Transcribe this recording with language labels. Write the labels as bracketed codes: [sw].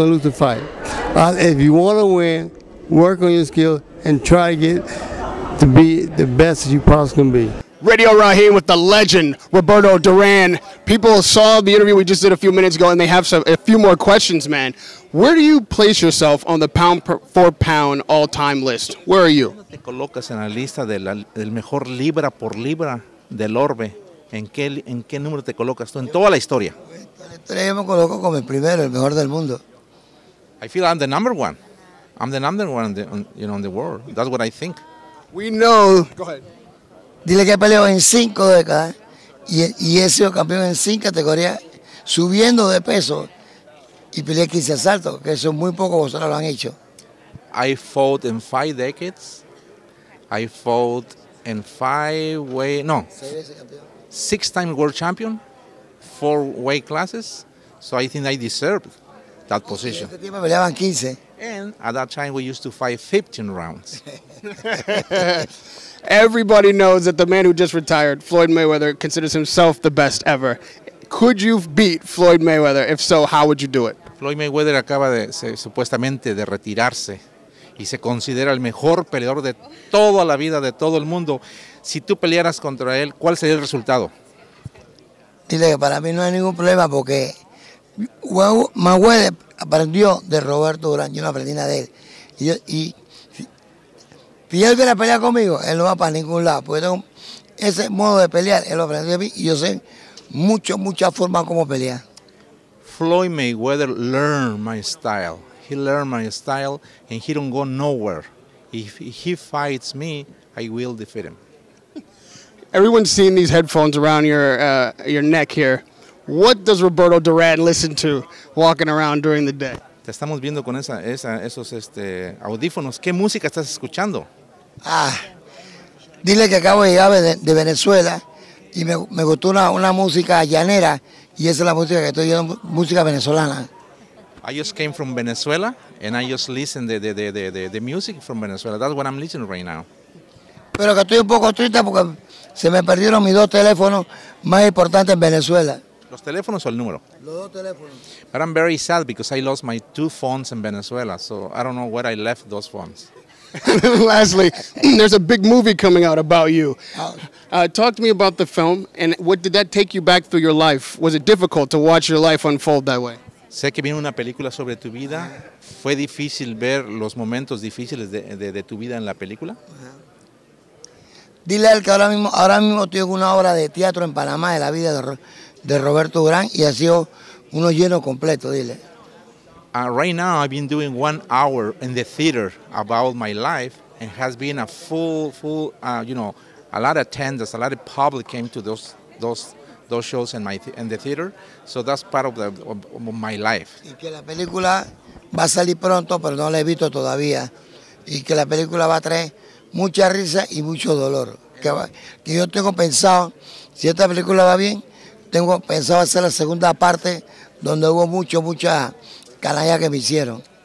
[en] You're going to lose the fight. If you want to win, work on your skills and try to get to be the best you possibly can be. Radio Raheem with the legend, Roberto Duran. People saw the interview we just did a few minutes ago, and they have a few more questions, man. Where do you place yourself on the pound for pound all-time list? Where are you? [es] ¿Dónde te colocas en la lista del mejor libra por libra del orbe? ¿En qué número te colocas tú en toda la historia? Yo me coloco como el primero, el mejor del mundo. [en] I feel I'm the number one. I'm the number one in the world. That's what I think. We know. Go ahead. [es] Dile que he peleado en 5 décadas y he sido campeón en 5 categorías subiendo de peso y peleé 15 asaltos, que eso muy poco vosotros lo han hecho. [en] I fought in 5 decades. I fought in 6 time world champion, 4 weight classes. So I think I deserved that position. [es] Este tiempo peleaban 15. [en] And at that time we used to fight 15 rounds. Everybody knows that the man who just retired, Floyd Mayweather, considers himself the best ever. Could you beat Floyd Mayweather? If so, how would you do it? [es] Floyd Mayweather acaba supuestamente de retirarse y se considera el mejor peleador de toda la vida, de todo el mundo. Si tú pelearas contra él, ¿cuál sería el resultado? Dile que para mí no hay ningún problema porque Mayweather aprendió de Roberto Duran, yo no aprendí nada de él. Si él viene a pelear conmigo, él no va para ningún lado, porque tengo ese modo de pelear, él lo aprendió a mí, y yo sé muchas formas como pelear. [en] Floyd Mayweather learned my style. He learned my style, and he don't go nowhere. If he fights me, I will defeat him. Everyone's seen these headphones around your neck here. What does Roberto Duran listen to walking around during the day? [es] Te estamos viendo con esos audífonos. ¿Qué música estás escuchando? Ah, dile que acabo de llegar de Venezuela y me gustó una música llanera y esa es la música que estoy oyendo, música venezolana. [en] I just came from Venezuela and I just listened to the music from Venezuela. That's what I'm listening right now. [es] Pero que estoy un poco triste porque se me perdieron mis dos teléfonos más importantes en Venezuela. ¿Los teléfonos o el número? Los dos teléfonos. [en] But I'm very sad because I lost my 2 phones in Venezuela, so I don't know where I left those phones. Lastly, there's a big movie coming out about you. Talk to me about the film, and what did that take you back through your life? Was it difficult to watch your life unfold that way? [es] Sé que viene una película sobre tu vida. ¿Fue difícil ver los momentos difíciles de tu vida en la película? Dile a él que ahora mismo tengo una obra de teatro en Panamá de la vida de Roberto Duran y ha sido uno lleno completo, dile. [en] Right now, I've been doing 1 hour in the theater about my life, and has been a full, a lot of attendance, a lot of public came to those shows in the theater. So that's part of my life. [es] Y que la película va a salir pronto, pero no la he visto todavía. Y que la película va a traer mucha risa y mucho dolor. Que yo tengo pensado, si esta película va bien, tengo pensado hacer la segunda parte donde hubo mucha canalla que me hicieron.